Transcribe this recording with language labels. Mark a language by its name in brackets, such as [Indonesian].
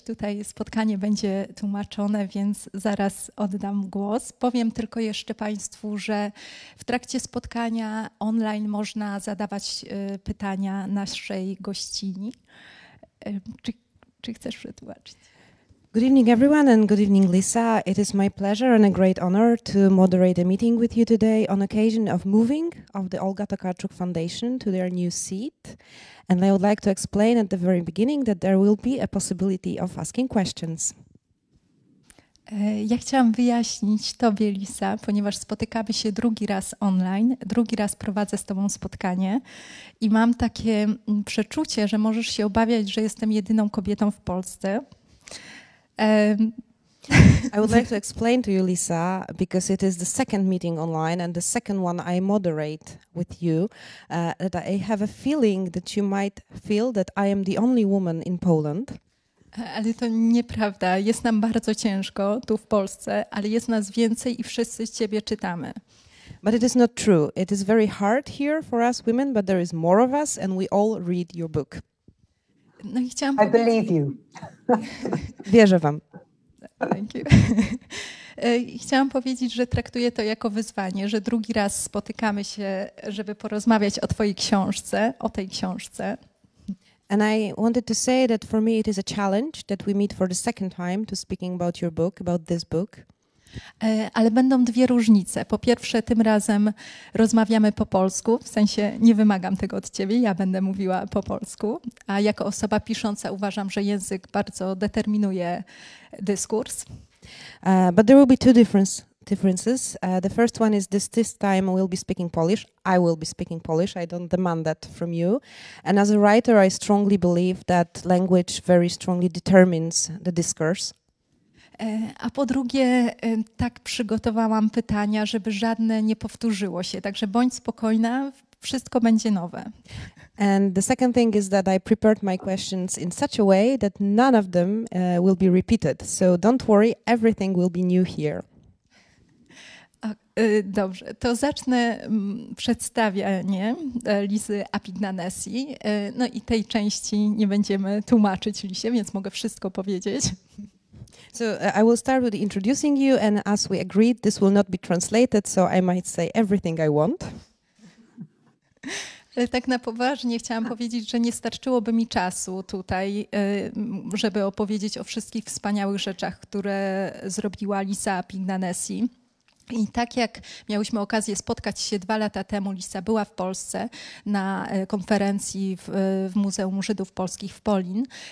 [Polish] Tutaj spotkanie będzie tłumaczone, więc zaraz oddam głos. Powiem tylko jeszcze Państwu, że w trakcie spotkania online można zadawać pytania naszej gościni. Czy chcesz przetłumaczyć? [English] Good evening, everyone, and good evening, Lisa. It is my pleasure and a great honor to moderate a meeting with you today on occasion of moving of the Olga Tokarczuk Foundation to their new seat. And I would like to explain at the very beginning that there will be a possibility of asking questions. [Polish] Ja chciałam wyjaśnić Tobie, Lisa, ponieważ spotykamy się drugi raz online, drugi raz prowadzę z Tobą spotkanie i mam takie przeczucie, że możesz się obawiać, że jestem jedyną kobietą w Polsce. [English] I would like to explain to you, Lisa, because it is the second meeting online and the second one I moderate with you, that I have a feeling that you might feel that I am the only woman in Poland. [Polish] Ale to nieprawda. Jest nam bardzo ciężko tu w Polsce, ale jest nas więcej i wszyscy ciebie czytamy. [English] But it is not true. It is very hard here for us women, but there is more of us and we all read your book. [Polish] No i chciałam powiedzieć... [English] I believe you. [Polish] Wierzę wam. [English] Thank you. [Polish] Chciałam powiedzieć, że traktuję to jako wyzwanie, że drugi raz spotykamy się, żeby porozmawiać o twojej książce, o tej książce. [English] And I wanted to say that for me it is a challenge that we meet for the second time to speaking about your book, about this book. [Polish] Ale będą dwie różnice. Po pierwsze, tym razem rozmawiamy po polsku, w sensie nie wymagam tego od ciebie, ja będę mówiła po polsku, a jako osoba pisząca uważam, że język bardzo determinuje dyskurs. [English] But there will be two differences. The first one is this time we'll be speaking Polish. I will be speaking Polish. I don't demand that from you. And as a writer, I strongly believe that language very strongly determines the discourse. [Polish] A po drugie, tak przygotowałam pytania, żeby żadne nie powtórzyło się. Także bądź spokojna, wszystko będzie nowe. [English] And the second thing is that I prepared my questions in such a way that none of them will be repeated. So don't worry, everything will be new here. [Polish] Dobrze, to zacznę przedstawianie Lisy Apignanesi. No i tej części nie będziemy tłumaczyć Lisie, więc mogę wszystko powiedzieć. [English] So I will start with introducing you, and as we agreed, this will not be translated, so I might say everything I want. [Polish] Ale tak na poważnie chciałam powiedzieć, że nie starczyłoby mi czasu tutaj, żeby opowiedzieć o wszystkich wspaniałych rzeczach, które zrobiła Lisa Apignanesi. I tak jak miałyśmy okazję spotkać się 2 lata temu, Lisa była w Polsce na konferencji w Muzeum Żydów Polskich w Polin.